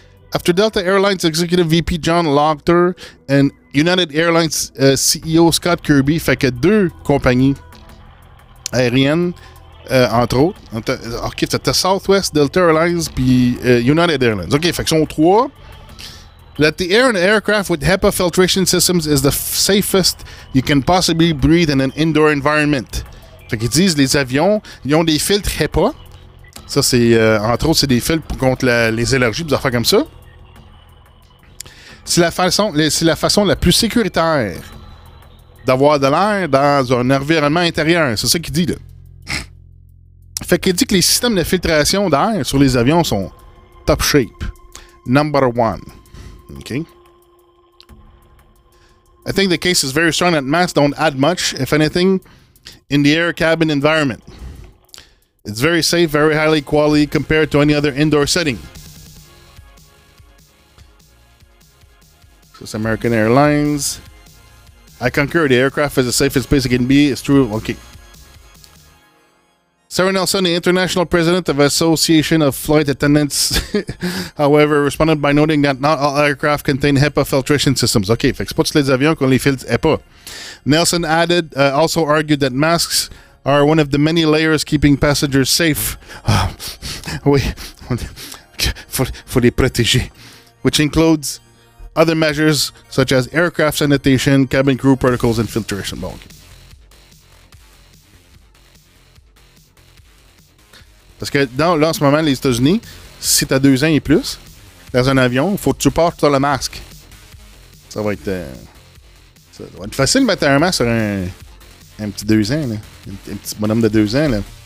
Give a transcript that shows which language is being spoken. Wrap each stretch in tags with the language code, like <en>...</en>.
<en>After Delta Airlines Executive VP John Lochter and United Airlines CEO Scott Kirby,</en> <fr>fait que deux compagnies aériennes, entre autres. OK, c'était Southwest, Delta Airlines, puis United Airlines. OK, fait que sont trois.</fr> <en>That the air in an aircraft with HEPA filtration systems is the safest you can possibly breathe in an indoor environment.</en> <fr>Fait qu'ils disent, les avions, ils ont des filtres HEPA. Ça, c'est, entre autres, c'est des filtres contre les allergies, des affaires comme ça. C'est la façon la plus sécuritaire d'avoir de l'air dans un environnement intérieur. C'est ça qu'il dit, là. Fait qu'il dit que les systèmes de filtration d'air sur les avions sont top shape.</fr> <en>Number one. OK. I think the case is very strong that masks don't add much, if anything... In the air cabin environment, it's very safe, very highly quality compared to any other indoor setting. So it's American Airlines. I concur, the aircraft is the safest place it can be. It's true. Okay. Sarah Nelson, the international president of Association of Flight Attendants, however, responded by noting that not all aircraft contain HEPA filtration systems.</en> <fr>Okay, fait que c'est pas tous les avions qui ont les filtres HEPA.</fr> <en>Nelson added, also argued that masks are one of the many layers keeping passengers safe.</en> <fr>Oui, faut les protéger.</fr> <en>Which includes other measures such as aircraft sanitation, cabin crew protocols, and filtration.</en> <fr>Bon, okay. Parce que dans, là, en ce moment, les États-Unis, si t'as 2 ans et plus, dans un avion, il faut que tu portes le masque. Ça va être... ça va être facile de mettre un masque sur un petit 2 ans, là. Un petit bonhomme de 2 ans, là.</fr>